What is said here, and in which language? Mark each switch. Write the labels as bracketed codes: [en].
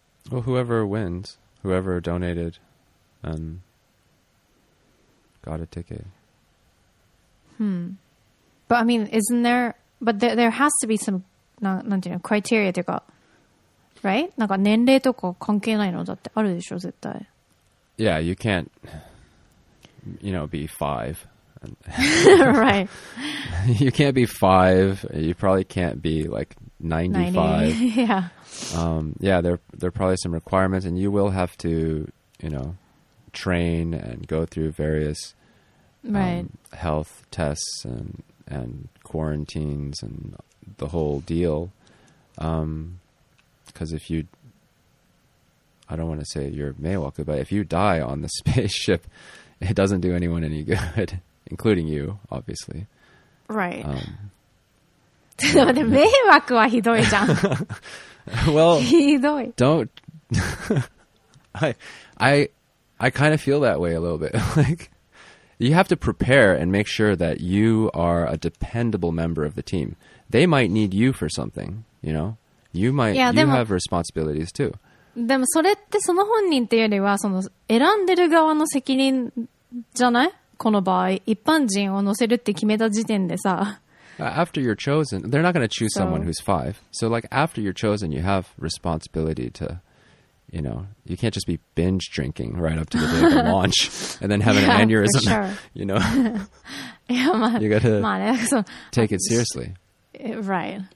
[en] Well, whoever wins, whoever donated and got a ticket. But I mean, isn't there... But there has to be some criteria to go... Right? [ja] なんか年齢とか関係ないのだってあるでしょ絶対。 [en] Yeah, you can't, you know, be five. Right. You can't be five. You probably can't be like 95. Yeah. Yeah, there are probably some requirements, and you will have to, you know, train and go through various health tests and quarantines and the whole deal. Because if you, I don't want to say you're Maywalker, but if you die on the spaceship, it doesn't do anyone any good, including you, obviously. Right. [ja] Maywalkはひどいじゃん. [en] Well, [ja] ひどい. [en] Don't. I kind of feel that way a little bit. Like, you have to prepare and make sure that you are a dependable member of the team. They might need you for something, you know? You might you have responsibilities too. [ja] でもそれってその本人っていうよりはその選んでる側の責任じゃない? この場合一般人を乗せるって決めた時点でさ。 [en] After you're chosen, they're not going to choose someone who's five. So like after you're chosen, you have responsibility to, you know, you can't just be binge drinking right up to the day of the launch and then have an aneurysm, sure. You know. Yeah, man. You got to take it seriously. Right.